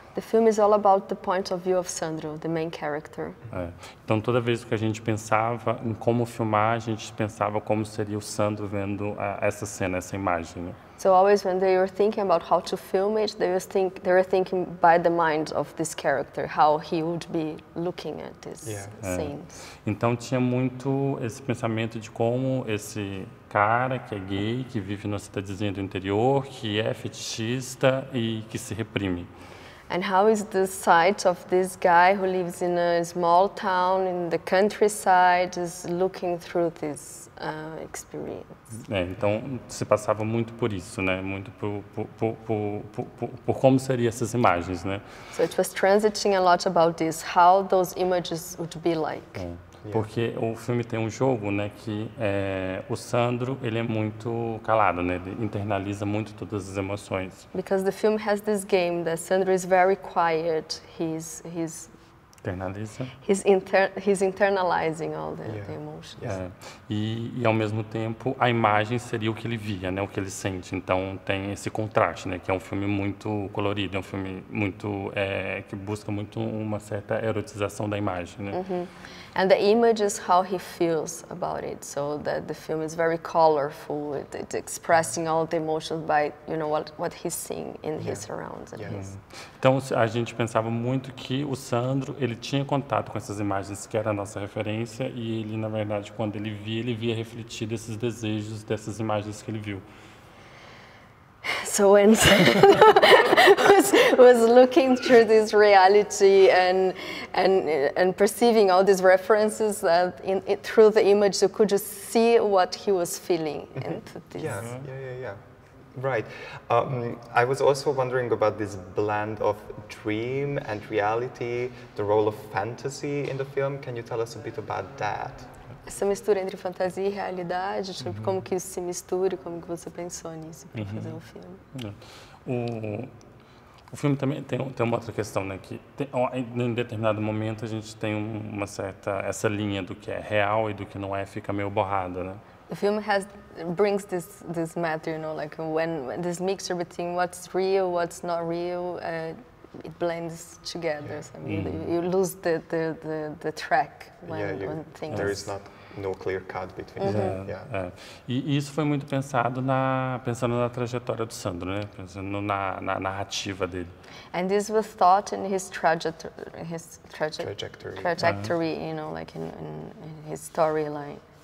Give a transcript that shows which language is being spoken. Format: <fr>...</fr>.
<en>The film is all about the point of view of Sandro, the main character.</en> <pt>Então toda vez que a gente pensava em como filmar, a gente pensava como seria o Sandro vendo essa cena, essa imagem.</pt> <en>So always when they were thinking about how to film it, they were thinking by the mind of this character, how he would be looking at this scene.</en> <pt>Então tinha muito esse pensamento de como esse cara que é gay, que vive na cidadezinha do interior, que é fetichista e que se reprime.</pt> <en>And how is the sight of this guy who lives in a small town in the countryside is looking through this experience?</en> <pt>Então se passava muito por isso, né? Muito por como seriam essas imagens, né?</pt> <en>So it was transiting a lot about this, how those images would be like.</en> <pt>Porque o filme tem um jogo, né, que o Sandro, ele é muito calado, né, ele internaliza muito todas as emoções.</pt> <en>Because the film has this game that Sandro is very quiet, he's</en> <pt>internaliza.</pt> <en>He's internalizing all the emotions.</en> <pt>E ao mesmo tempo, a imagem seria o que ele via, né, o que ele sente. Então tem esse contraste, né, que é um filme muito colorido, é um filme muito que busca muito uma certa erotização da imagem, né?</pt> <en>And the image is how he feels about it, so that the film is very colorful. It's expressing all the emotions by, you know, what he's seeing in his surroundings.</en> <pt>Então a gente pensava muito que o Sandro, ele tinha contato com essas imagens que era a nossa referência, e ele, na verdade, quando ele via refletido esses desejos dessas imagens que ele viu.</pt> <en>So when was looking through this reality and perceiving all these references that in through the image, you could just see what he was feeling into this. Right. I was also wondering about this blend of dream and reality, the role of fantasy in the film. Can you tell us a bit about that?</en> <pt>Essa mistura entre fantasia e realidade, tipo, como que isso se mistura, como que você pensou nisso para fazer um filme? O filme também tem uma outra questão, né, que em determinado momento a gente tem uma certa essa linha do que é real e do que não é, fica meio borrada, né?</pt> <en>The film brings this matter, you know, like when this mixture between what's real, what's not real, it blends together. Yeah. So, I mean, you lose the track when things. There is not no clear cut between them.</en> <pt>E isso foi muito pensando na trajetória do Sandro, né? Pensando na narrativa dele.</pt> <en>And this was thought in his trajectory, you know, like in his storyline.</en>